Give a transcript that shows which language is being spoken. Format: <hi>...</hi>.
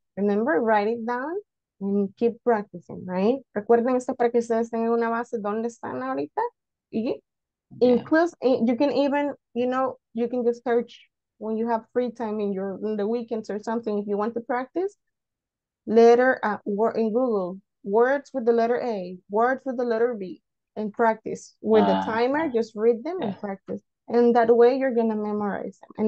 <en>Remember, write it down and keep practicing, right?</en> <es>Recuerden esto para que ustedes tengan una base donde están ahorita. Y incluso,</es> <en>you can even, you know, you can just search when you have free time in your in the weekends or something if you want to practice. Letter in Google, words with the letter A, words with the letter B, and practice. With the timer, just read them and practice. And that way you're going to memorize them.</en>